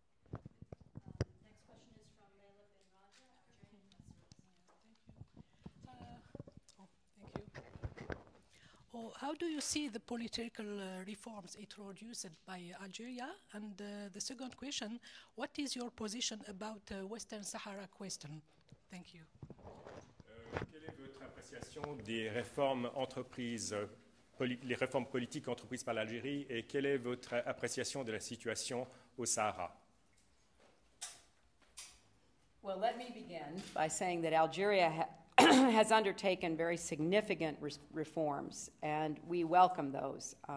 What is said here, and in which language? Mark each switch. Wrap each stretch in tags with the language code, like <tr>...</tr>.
<en>Next question is from Leila Bin Raja, Algerian Thank you. How do you see the political reforms introduced by Algeria? And the second question, what is your position about the Western Sahara question? Thank you.</en> <fr>Quelle est votre appréciation des réformes entreprises, les réformes politiques entreprises par l'Algérie, et quelle est votre appréciation de la situation au Sahara?</fr> <en>Well, let me begin by saying that Algeria has undertaken very significant reforms, and we welcome those.</en>